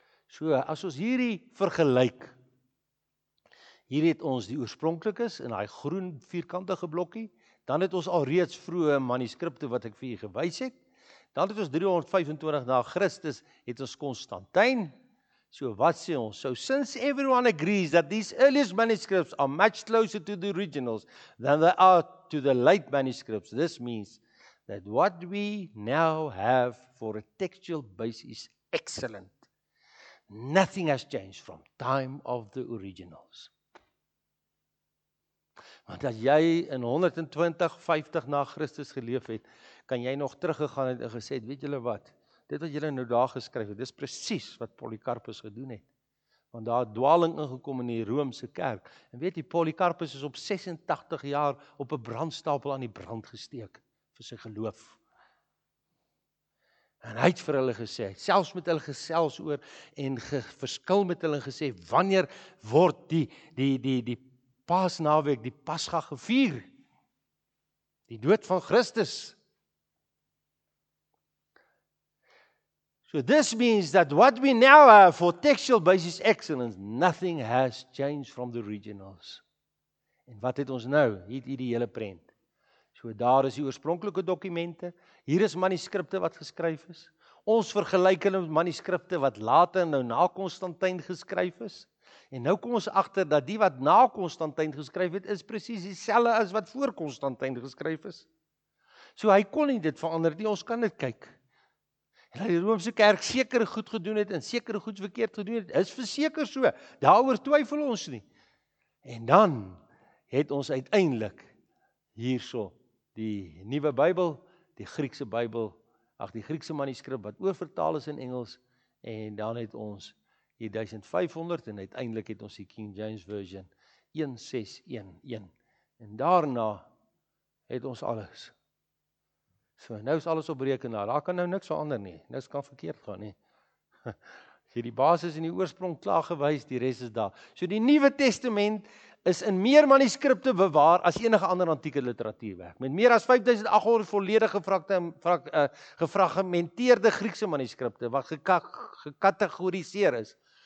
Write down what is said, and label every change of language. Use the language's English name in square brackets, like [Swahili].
[Afrikaans] So, as ons hierdie vergelyk, hier het ons die oorspronklikes in daai groen vierkantige blokkie, dan het ons al reeds vroeë manuskripte wat ek vir u gewys het. Dan het ons 325 na Christus het ons Constantijn. So wat sê ons? [English] So since everyone agrees that these earliest manuscripts are much closer to the originals than they are to the late manuscripts, this means that what we now have for a textual base is excellent. Nothing has changed from time of the originals. [Afrikaans] Want as jy in 120, 50 na Christus geleef het, kan jy nog teruggegaan het en gesê, weet julle wat, dit wat julle nou daar geskryf het, dit is precies wat Polycarpus gedoen het. Want daar het dwaling ingekom in die Roomse kerk. En weet jy, Polycarpus is op 86 jaar op 'n brandstapel aan die brand gesteek vir sy geloof. En hy het vir hulle gesê, selfs met hulle gesels oor en verskil met hulle gesê, wanneer word die Paasnaweek, die Pasga gevier, die dood van Christus. [English] So this means that what we now have for textual basis excellence, nothing has changed from the originals. [Afrikaans] En wat het ons nou? Hier die hele prent. So daar is die oorspronklike dokumente, hier is manuskripte wat geskryf is, ons vergelyk hulle met manuskripte wat later nou na Constantijn geskryf is, en nou kom ons achter dat die wat na Constantijn geskryf het, is precies dieselfde as wat voor Constantijn geskryf is. So hy kon nie dit verander nie, ons kan dit kyk. En dat die Roomse kerk sekere goed gedoen het en sekere goed verkeerd gedoen het, is verseker so, daaroor twyfel ons nie. En dan het ons uiteindelik hierso die nuwe Bybel, die Griekse Bybel, ag die Griekse manuskrip wat oorvertaal is in Engels, en dan het ons die 1500, en uiteindelik het ons die King James Version 1611. En daarna het ons alles. So, nou is alles op rekenaar, daar kan nou niks verander nie, niks kan verkeerd gaan nie. As jy die basis en die oorsprong klaar gewys, die res is daar. So die Nuwe Testament is in meer manuskripte bewaar as enige ander antieke literatuurwerk, met meer as 5800 volledige gefragmenteerde Griekse manuskripte, wat gekategoriseer is.